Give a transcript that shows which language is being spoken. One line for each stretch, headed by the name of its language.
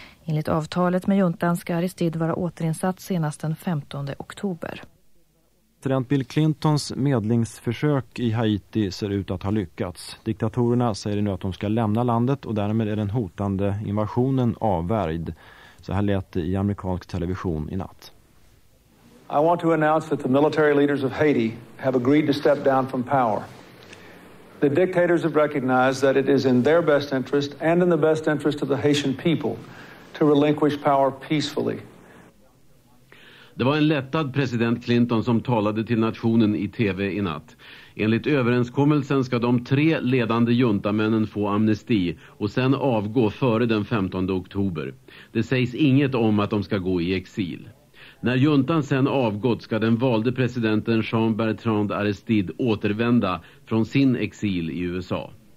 Swedish: Enligt avtalet med juntan ska Aristide vara återinsatt senast den 15 oktober. President Bill Clintons medlingsförsök i Haiti ser ut att ha lyckats. Diktatorerna säger nu att de ska lämna landet, och därmed är den hotande invasionen avvärjd. Så här lät det i amerikansk television i natt.
English: I want to announce that the military leaders of Haiti have agreed to step down from power. The dictators have recognized that it is in their best interest and in the best interest of the Haitian people to relinquish power peacefully.
Swedish: Det var en lättad president Clinton som talade till nationen i TV i natt. Enligt överenskommelsen ska de 3 ledande juntamännen få amnesti och sen avgå före den 15 oktober. Det sägs inget om att de ska gå i exil. När juntan sen avgått ska den valde presidenten Jean-Bertrand Aristide återvända från sin exil i USA.